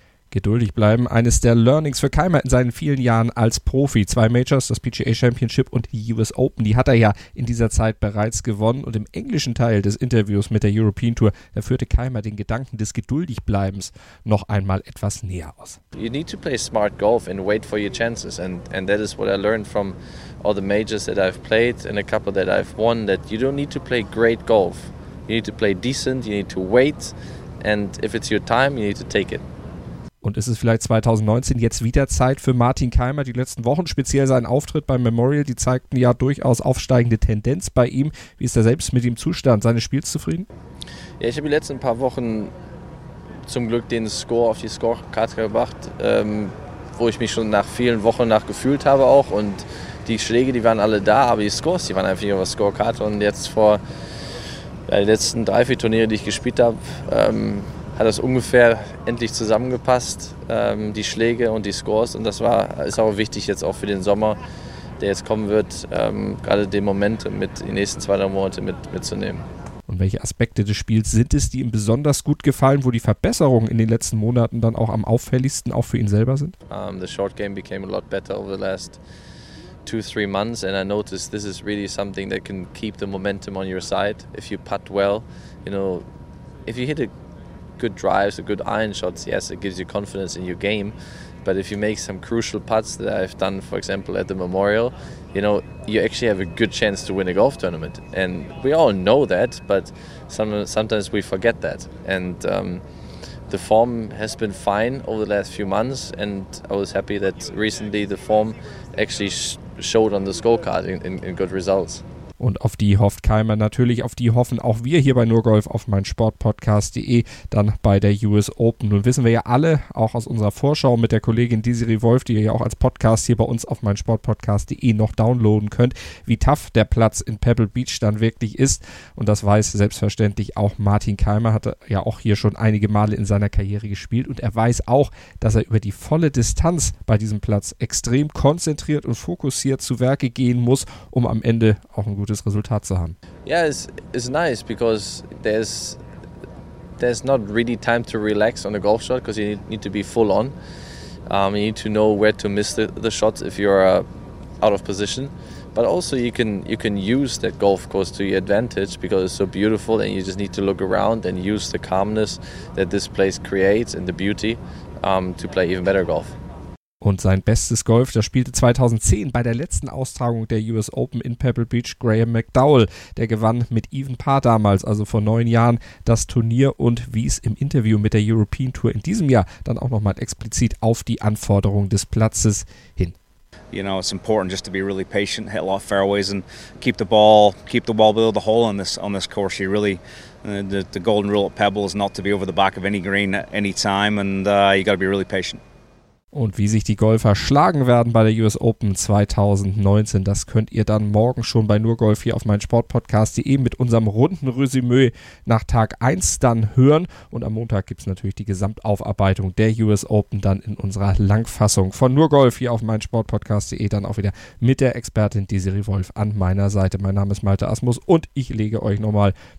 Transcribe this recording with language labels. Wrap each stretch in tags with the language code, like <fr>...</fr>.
<de>Geduldig bleiben, eines der Learnings für Kaymer in seinen vielen Jahren als Profi. Zwei Majors, das PGA Championship und die US Open, die hat er ja in dieser Zeit bereits gewonnen. Und im englischen Teil des Interviews mit der European Tour, da führte Kaymer den Gedanken des Geduldigbleibens noch einmal etwas näher aus.</de> <en>You need to play smart golf and wait for your chances. And that is what I learned from all the majors that I've played and a couple that I've won, that you don't need to play great golf. You need to play decent, you need to wait, and if it's your time, you need to take it.</en> <de>Und ist es vielleicht 2019 jetzt wieder Zeit für Martin Kaymer? Die letzten Wochen, speziell sein Auftritt beim Memorial, die zeigten ja durchaus aufsteigende Tendenz bei ihm. Wie ist er selbst mit dem Zustand seines Spiels zufrieden? Ja, ich habe die letzten paar Wochen zum Glück den Score auf die Scorecard gebracht, wo ich mich schon nach vielen Wochen nachgefühlt habe auch. Und die Schläge, die waren alle da, aber die Scores, die waren einfach nicht auf der Scorecard. Und jetzt vor die letzten 3-4 Turniere, die ich gespielt habe, hat das ungefähr endlich zusammengepasst, die Schläge und die Scores. Und das ist auch wichtig jetzt auch für den Sommer, der jetzt kommen wird, gerade den Moment mit den nächsten 2-3 Monate mitzunehmen. Und welche Aspekte des Spiels sind es, die ihm besonders gut gefallen, wo die Verbesserungen in den letzten Monaten dann auch am auffälligsten auch für ihn selber sind?</de> <en>The short game became a lot better over the last 2-3 months, and I noticed this is really something that can keep the momentum on your side if you putt well. You know, if you hit a good drives, a good iron shots, yes, it gives you confidence in your game. But if you make some crucial putts that I've done, for example, at the Memorial, you know, you actually have a good chance to win a golf tournament. And we all know that, but sometimes we forget that. And the form has been fine over the last few months, and I was happy that recently the form actually showed on the scorecard in good results.</en> <de>Und auf die hofft Kaymer natürlich, auf die hoffen auch wir hier bei nurgolf auf meinsportpodcast.de, dann bei der US Open. Nun wissen wir ja alle, auch aus unserer Vorschau mit der Kollegin Desiree Wolf, die ihr ja auch als Podcast hier bei uns auf meinsportpodcast.de noch downloaden könnt, wie tough der Platz in Pebble Beach dann wirklich ist. Und das weiß selbstverständlich auch Martin Kaymer, hat ja auch hier schon einige Male in seiner Karriere gespielt. Und er weiß auch, dass er über die volle Distanz bei diesem Platz extrem konzentriert und fokussiert zu Werke gehen muss, um am Ende auch ein gutes Resultat zu haben.</de> <en>Yeah, it's nice because there's not really time to relax on a golf shot because you need to be full on. You need to know where to miss the shots if you are out of position. But also you can use that golf course to your advantage because it's so beautiful and you just need to look around and use the calmness that this place creates and the beauty to play even better golf.</en> <de>Und sein bestes Golf, das spielte 2010 bei der letzten Austragung der US Open in Pebble Beach, Graham McDowell. Der gewann mit Even Par damals, also vor 9 Jahren, das Turnier und wies im Interview mit der European Tour in diesem Jahr dann auch nochmal explizit auf die Anforderungen des Platzes hin.</de> <en>You know, it's important just to be really patient, hit a lot of fairways and keep the ball below the hole on this course. You really, the golden rule at Pebble is not to be over the back of any green at any time and you got to be really patient.</en> <de>Und wie sich die Golfer schlagen werden bei der US Open 2019, das könnt ihr dann morgen schon bei nurgolf hier auf meinsportpodcast.de mit unserem runden Resümee nach Tag 1 dann hören. Und am Montag gibt es natürlich die Gesamtaufarbeitung der US Open dann in unserer Langfassung von nurgolf hier auf meinsportpodcast.de dann auch wieder mit der Expertin Desiree Wolf an meiner Seite. Mein Name ist Malte Asmus und ich lege euch nochmal</de>